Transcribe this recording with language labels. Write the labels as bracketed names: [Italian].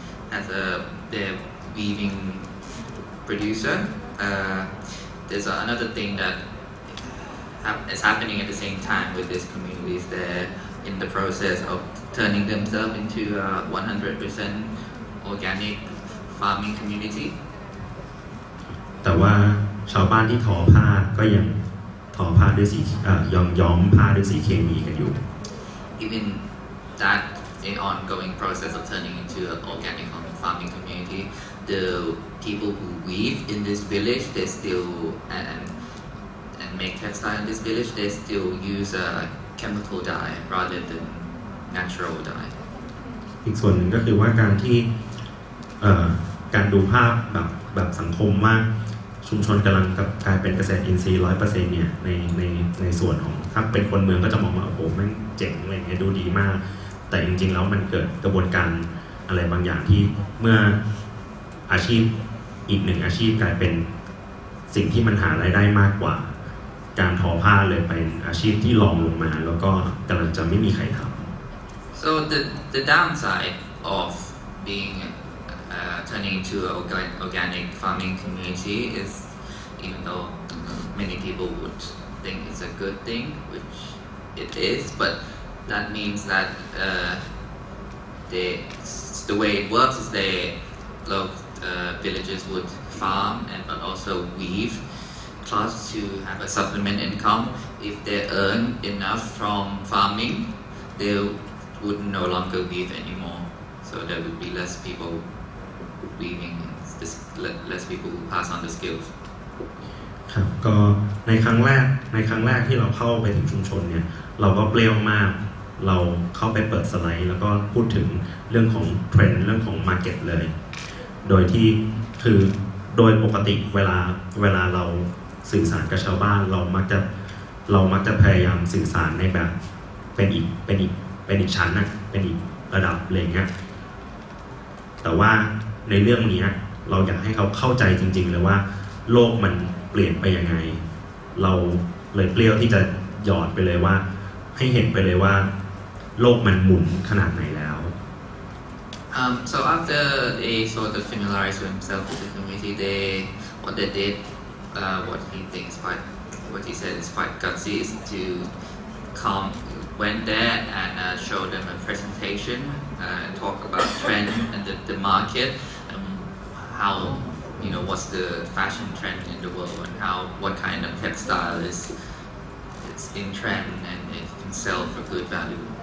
[English] as a their weaving producer. There's another thing that is happening at the same time with these communities. They're in the process of turning themselves into a 100% organic farming community. [Thai] แต่ว่าชาวบ้านที่ทอผ้าก็ยังทอผ้าด้วยสียอมย้อมผ้าด้วยสีเคมีกันอยู่ [English] Even that ongoing process of turning into an organic farming community, the people who weave in this village, they still and make textile in this village, they still use a chemical dye rather than natural dye. [Thai] อีกส่วนหนึ่งก็คือว่าการที่การดูภาพแบบสังคมว่าชุมชนกำลังกับกลายเป็นเกษตรอินทรีย์ 100% เนี่ยในส่วนของถ้าเป็นคนเมืองก็จะมองว่าโอ้โหแม่งเจ๋งเลยเนี่ยดูดีมากแต่จริงๆแล้วมันเกิดกระบวนการอะไรบางอย่างที่เมื่ออาชีพอีกหนึ่งอาชีพกลายเป็นสิ่งที่มันหารายได้มากกว่าการทอผ้าเลยเป็นอาชีพที่รองลงมาแล้วก็กำลังจะไม่มีใครทำ [English] so the downside of beingturning into an organic farming community is, even though many people would think it's a good thing, which it is, but that means that the way it works is the villagers would farm and but also weave cloth to have a supplement income. If they earn enough from farming, they would no longer weave anymore, so there would be less peopleweaving less people who pass on the skills [Thai] ครับก็ในครั้งแรกที่เราเข้าไปถึงชุมชนเนี่ยเราก็เปลี่ยวมากเราเข้าไปเปิดสไลด์แล้วก็พูดถึงเรื่องของเทรนด์เรื่องของมาร์เก็ตเลยโดยที่คือโดยปกติเวลาเราสื่อสารกับชาวบ้านเรามักจะพยายามสื่อสารในแบบเป็นอีกชั้นนะเป็นอีกระดับเลยเงี้ย แต่ว่าในเรื่องนี้เราอยากให้เขาเข้าใจจริงๆเลยว่าโลกมันเปลี่ยนไปยังไงเราเลยเปรี้ยวที่จะหยอดไปเลยว่าให้เห็นไปเลยว่าโลกมันหมุนขนาดไหนแล้ว [English] so after they sort of familiarize themselves with the community what he said is quite gutsy is to went there and show them a presentation and talk about trend and the market how you know what's the fashion trend in the world and how what kind of textile is in trend and it can sell for good value